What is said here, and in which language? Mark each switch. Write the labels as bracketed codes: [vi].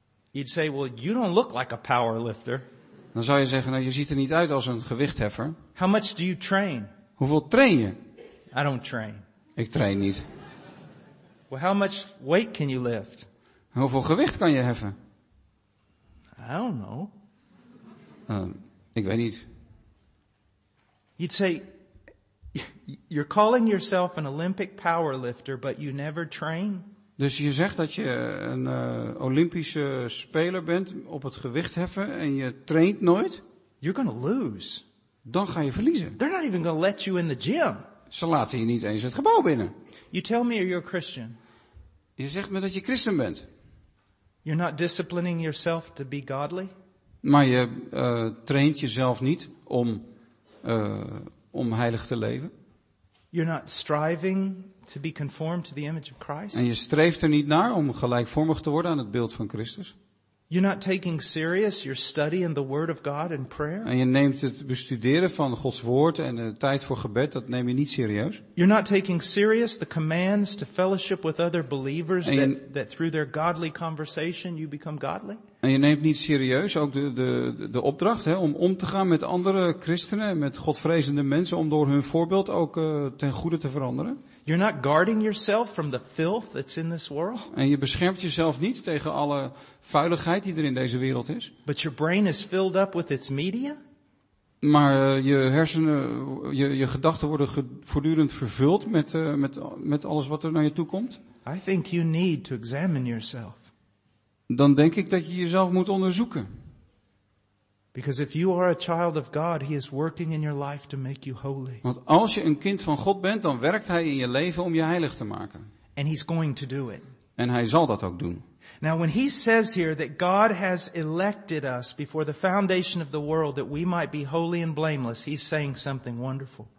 [en] You'd say, well, you don't look like a powerlifter. [nl] Dan zou je zeggen, nou, je ziet er niet uit als een gewichtheffer. [en] How much do you train? [nl] Hoeveel train je? [en] I don't train. [nl] Ik train niet. [en] Well, how much weight can you lift? [nl] Hoeveel gewicht kan je heffen? [en] I don't know. [nl] Ik weet niet. [en] You'd say, you're calling yourself an Olympic powerlifter, but you never train? [nl] Dus je zegt dat je een Olympische speler bent op het gewicht heffen en je traint nooit? [en] You're gonna lose. [nl] Dan ga je verliezen. [en] They're not even gonna let you in the gym. [nl] Ze laten je niet eens het gebouw binnen. [en] You tell me you're a Christian. [nl] Je zegt me dat je christen bent. [en] You're not disciplining yourself to be godly. [nl] Maar je traint jezelf niet om om heilig te leven. [en] You're not striving to be conformed to the image of Christ. [nl] En je streeft er niet naar om gelijkvormig te worden aan het beeld van Christus. [en] You're not taking serious your study in the Word of God and prayer. [nl] En je neemt het bestuderen van Gods woord en de tijd voor gebed, dat neem je niet serieus. [en] You're not taking serious the commands to fellowship with other believers that through their godly conversation you become godly. [nl] En je neemt niet serieus ook de opdracht, hè, om te gaan met andere christenen en met godvrezende mensen om door hun voorbeeld ook ten goede te veranderen. [en] You're not guarding yourself from the filth that's in this world. [nl] En je beschermt jezelf niet tegen alle vuiligheid die er in deze wereld is. [en] But your brain is filled up with its media. [nl] Maar je hersenen, je gedachten worden voortdurend vervuld met alles wat er naar je toe komt. [en] I think you need to examine yourself. [nl] Dan denk ik dat je jezelf moet onderzoeken. [en] Because if you are a child of God, he is working in your life to make you holy. [nl] Want als je een kind van God bent, dan werkt hij in je leven om je heilig te maken. [en] And he's going to do it. [nl] En hij zal dat ook doen. [en] Now when he says here that God has elected us before the foundation of the world that we might be holy and blameless, he's saying something wonderful.